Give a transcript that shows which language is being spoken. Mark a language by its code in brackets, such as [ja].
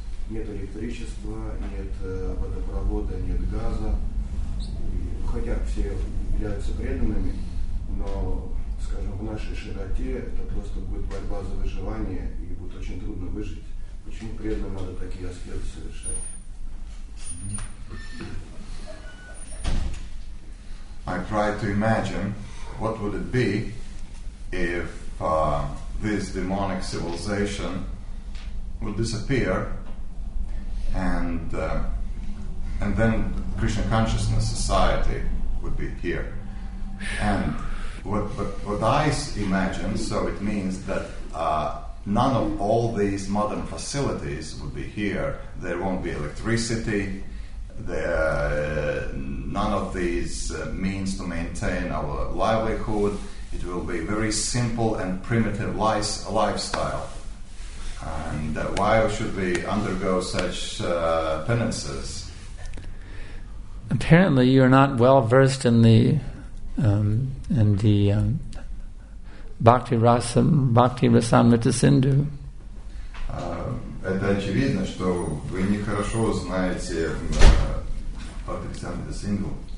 [ru] Нет электричества, нет водопровода, нет газа. И, хотя все являются преданными, но, скажем, в нашей широте это просто будет борьба за выживание и будет очень трудно выжить. Почему преданным надо такие аскезы совершать? [en] I try to imagine what would it be if this demonic civilization would disappear. And then Krishna consciousness society would be here. And what I imagine, so it means that none of all these modern facilities would be here. There won't be electricity. None of these means to maintain our livelihood. It will be very simple and primitive lifestyle. And why should we undergo such penances? Apparently, you are not well versed Bhakti Rasamrita Sindhu. [ru] Это очевидно, что вы не хорошо знаете Бхакти Расамрита Синдху.